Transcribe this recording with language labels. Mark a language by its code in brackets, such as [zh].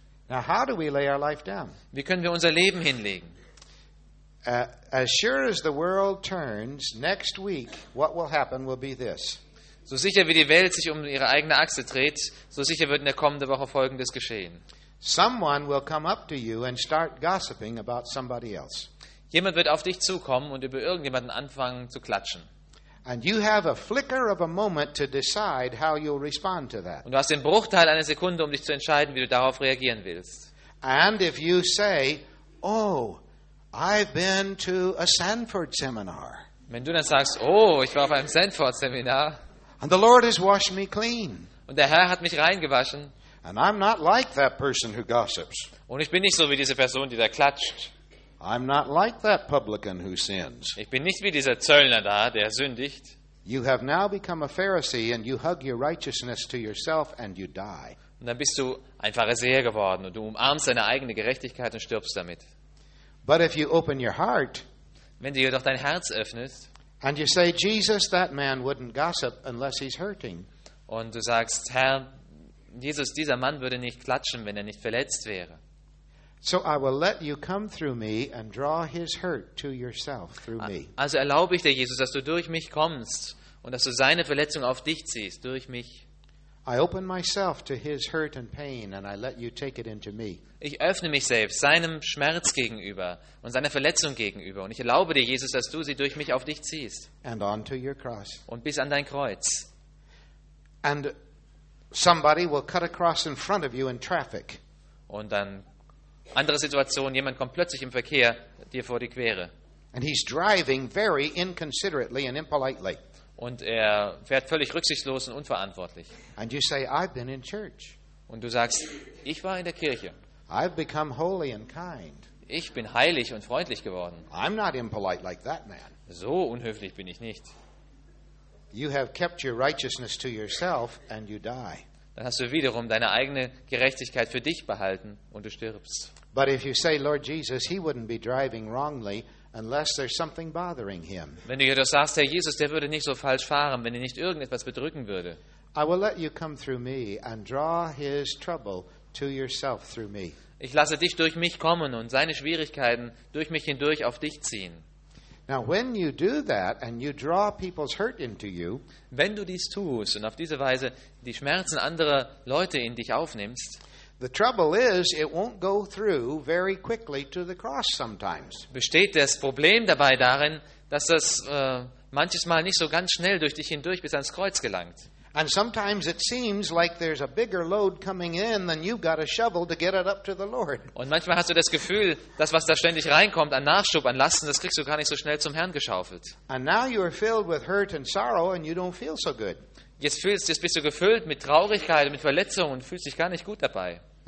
[en] Now how do we lay our life down? [de] Wie können wir unser Leben hinlegen? [en] As sure as the world turns next week, what will happen will be this. [de] So sicher wie die Welt sich um ihre eigene Achse dreht, so sicher wird in der kommenden Woche Folgendes geschehen. [en] Someone will come up to you and start gossiping about somebody else. [de] Jemand wird auf dich zukommen und über irgendjemanden anfangen zu klatschen. [en] And you have a flicker of a moment to decide how you'll respond to that. [de] Und du hast den Bruchteil einer Sekunde, um dich zu entscheiden, wie du darauf reagieren willst. [en] And if you say, oh, I've been to a Sanford seminar. [de] Wenn du dann sagst, oh, ich war auf einem Sanford Seminar. [en] And the Lord has washed me clean. [de] Und der Herr hat mich reingewaschen. [en] And I'm not like that person who gossips. [de] Und ich bin nicht so wie diese Person, die da klatscht. [en] I'm not like that publican who sins. [de] Ich bin nicht wie dieser Zöllner da, der sündigt. [en] You have now become a Pharisee and you hug your righteousness to yourself and you die. [de] Und dann bist du ein Pharisäer geworden und du umarmst deine eigene Gerechtigkeit und stirbst damit. [en] But if you open your heart, [de] wenn du doch dein Herz öffnest, [en] and you say, Jesus, that man wouldn't gossip unless he's hurting. [de] Und du sagst, Herr, Jesus, dieser Mann würde nicht klatschen, wenn er nicht verletzt wäre. [en] So I will let you come through me and draw his hurt to yourself through me. [de] Also erlaube ich dir, Jesus, dass du durch mich kommst und dass du seine Verletzung auf dich ziehst, durch mich. [en] I open myself to his hurt and pain and I let you take it into me. [de] Ich öffne mich selbst seinem Schmerz gegenüber und seiner Verletzung gegenüber und ich erlaube dir, Jesus, dass du sie durch mich auf dich ziehst. [en] And on to your cross. [de] Und bis an dein Kreuz. [en] And somebody will cut across in front of you in traffic. [de] Und dann andere Situation, jemand kommt plötzlich im Verkehr dir vor die Quere. [en] And he's driving very inconsiderately and impolitely. [de] Und er fährt völlig rücksichtslos und unverantwortlich. [en] And you say, I've been in church. [de] Und du sagst, ich war in der Kirche. [en] I've become holy and kind. [de] Ich bin heilig und freundlich geworden. [en] I'm not impolite like that man. [de] So unhöflich bin ich nicht. [en] You have kept your righteousness to yourself and you die. [de] Dann hast du wiederum deine eigene Gerechtigkeit für dich behalten und du stirbst. [en] But if you say, Lord Jesus, he wouldn't be driving wrongly. Unless there's something bothering him. [de] Wenn du jedoch sagst, Herr Jesus, der würde nicht so falsch fahren, wenn ihn nicht irgendetwas bedrücken würde. [en] I will let you come through me and draw his trouble to yourself through me. [de] Ich lasse dich durch mich kommen und seine Schwierigkeiten durch mich hindurch auf dich ziehen. [en] Now when you do that and you draw people's hurt into you, [de] wenn du dies tust und auf diese Weise die Schmerzen anderer Leute in dich aufnimmst, [en] the trouble is, it won't go through very quickly to the cross sometimes. [de] Besteht das Problem dabei darin, dass das manches Mal nicht so ganz schnell durch dich hindurch bis ans Kreuz gelangt? [en] And sometimes it seems like there's a bigger load coming in than you've got a shovel to get it up to the Lord. [de] Und manchmal hast du das Gefühl, dass was da ständig reinkommt an Nachschub, an Lasten, das kriegst du gar nicht so schnell zum Herrn geschaufelt. [en] And now you are filled with hurt and sorrow, and you don't feel so good. [de] Jetzt bist du gefüllt mit Traurigkeit, mit Verletzungen und fühlst dich gar nicht gut dabei.